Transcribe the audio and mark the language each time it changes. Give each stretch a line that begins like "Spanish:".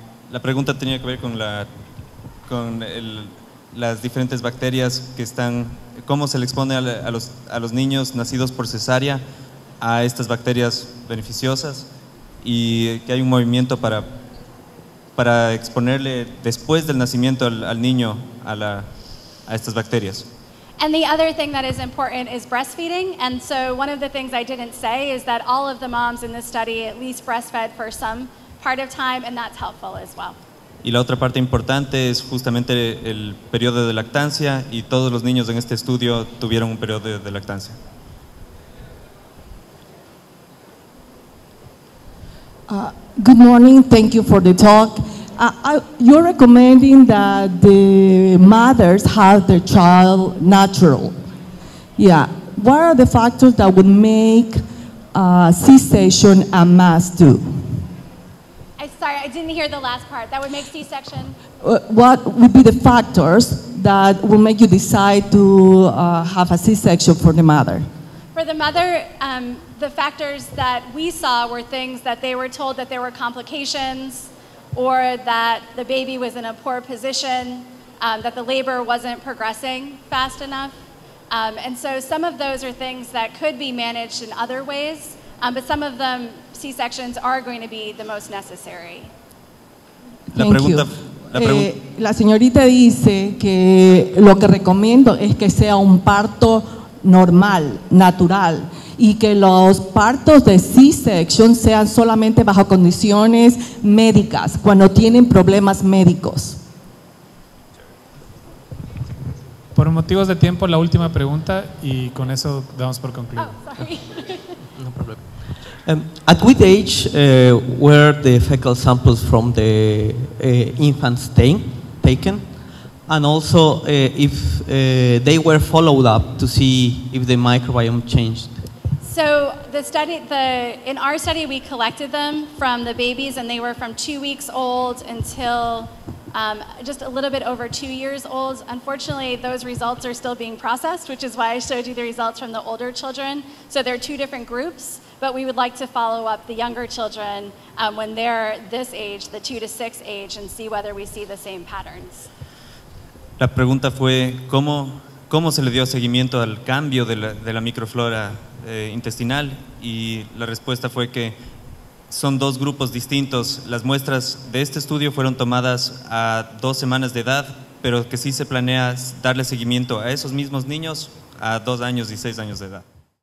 Spanish: La pregunta tenía que ver con, la, con el, las diferentes bacterias que están, cómo se le expone a los niños nacidos por cesárea a estas bacterias beneficiosas y que hay un movimiento para, para exponerle después del nacimiento al, al niño a, la, a estas bacterias.
English: And the other thing that is important is breastfeeding. And so one of the things I didn't say is that all of the moms in this study at least breastfed for some part of time, and that's helpful as well.
Spanish: Y la otra parte importante es justamente el periodo de lactancia, y todos los niños en este estudio tuvieron un periodo de lactancia.
English: Good morning. Thank you for the talk. You're recommending that the mothers have their child natural. Yeah. What are the factors that would make C-section a must do? Sorry, I didn't hear the last part. That would make C-section? What would be the factors that will make you decide to have a C-section for the mother? For the mother, the factors that we saw were things that they were told that there were complications, or that the baby was in a poor position, that the labor wasn't progressing fast enough. And so some of those are things that could be managed in other ways, but some of them, C-sections are going to be the most necessary.
Spanish: La pregunta, la señorita dice que lo que recomiendo es que sea un parto normal, natural, y que los partos de C-section sean solamente bajo condiciones médicas, cuando tienen problemas médicos. Por motivos de tiempo, la última pregunta, y con eso damos por concluido.
English: Oh, sorry. No problem. At what age were the fecal samples from the infants taken? And also, if they were followed up to see if the microbiome changed? So the study, in our study, we collected them from the babies, and they were from 2 weeks old until just a little bit over 2 years old. Unfortunately, those results are still being processed, which is why I showed you the results from the older children. So they're two different groups, but we would like to follow up the younger children when they're this age, the 2 to 6 age, and see whether we see the same patterns.
Spanish: La pregunta fue, ¿cómo, cómo se le dio seguimiento al cambio de la microflora intestinal? Y la respuesta fue que son dos grupos distintos. Las muestras de este estudio fueron tomadas a 2 semanas de edad, pero que sí se planea darle seguimiento a esos mismos niños a 2 años y 6 años de edad.